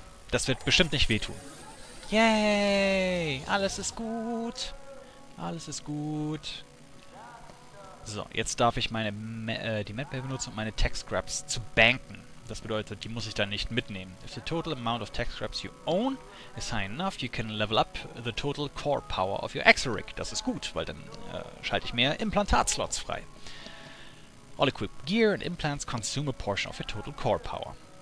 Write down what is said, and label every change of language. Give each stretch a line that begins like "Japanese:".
German: Das wird bestimmt nicht wehtun. Yay! Alles ist gut. Alles ist gut. So, jetzt darf ich meine die Medbay benutzen, um meine Tech Scraps zu banken. Das bedeutet, die muss ich dann nicht mitnehmen.
English: If the total amount of Tech Scraps you own is high enough, you can level up the total core power of your Exoric.
German: Das ist gut, weil dann schalte ich mehr Implantatslots frei.
English: All equipped gear and implants consume a portion of your total core power.